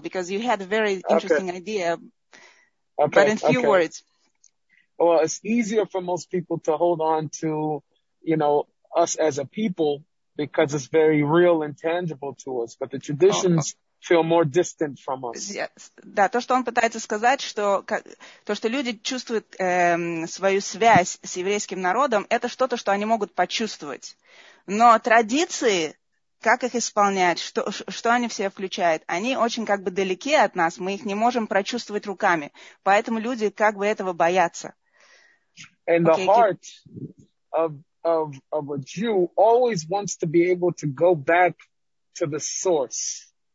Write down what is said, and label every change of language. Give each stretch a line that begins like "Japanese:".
English: Because you had a very interesting idea. But in few words. Well, it's easier for most people to hold on to, you know, us as a people, because it's very real and tangible to us, but the traditions feel more distant from us. Yes.
Russian: Да, то, что он пытается сказать, что то, что люди чувствуют свою связь с еврейским народом, это что-то, что они могут почувствовать. Но традиции, как их исполнять, что они все включают, они очень как бы далеки от нас, мы их не можем прочувствовать руками. Поэтому люди как бы этого боятся.
English: And the heart of a Jew always wants to be able to go back to the source.